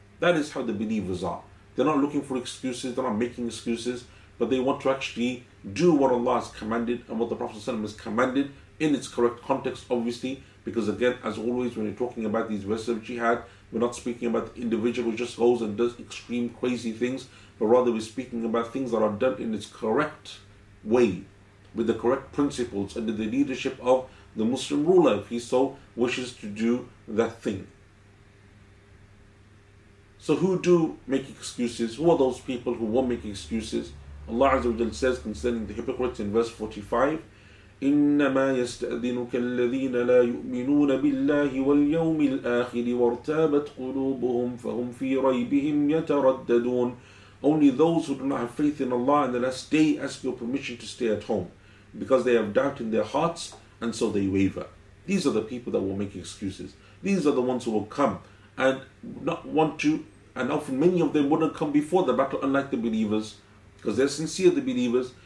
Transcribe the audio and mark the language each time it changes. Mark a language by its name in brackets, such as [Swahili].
[English] That is how the believers are. They're not looking for excuses, they're not making excuses, but they want to actually do what Allah has commanded and what the Prophet ﷺ has commanded in its correct context, obviously, because again, as always, when you're talking about these verses of jihad, we're not speaking about the individual who just goes and does extreme crazy things, but rather we're speaking about things that are done in its correct way, with the correct principles, under the leadership of the Muslim ruler, if he so wishes to do that thing. So who do make excuses? Who are those people who won't make excuses? Allah Azza wa Jalla says concerning the hypocrites in verse 45, [Arabic] إِنَّمَا يَسْتَأْذِنُكَ الَّذِينَ لَا يُؤْمِنُونَ بِاللَّهِ وَالْيَوْمِ الْآخِرِ وَارْتَابَتْ قُلُوبُهُمْ فَهُمْ فِي رَيْبِهِمْ يَتَرَدَّدُونَ. [English] Only those who do not have faith in Allah in the last day ask your permission to stay at home, because they have doubt in their hearts and so they waver. These are the people that will make excuses. These are the ones who will come and not want to, and often many of them wouldn't come before the battle, unlike the believers, because they're sincere, the believers.